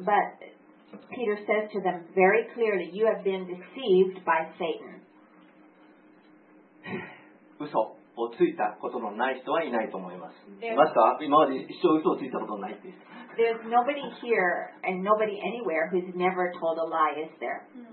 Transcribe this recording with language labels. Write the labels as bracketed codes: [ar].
[en] But Peter says to them very clearly, you have been deceived by Satan. [ja] 嘘をついたことのない人はいないと思います。マスター、今まで一生嘘をついたことないです。 [en] There's nobody here and nobody anywhere who's never told a lie, is there?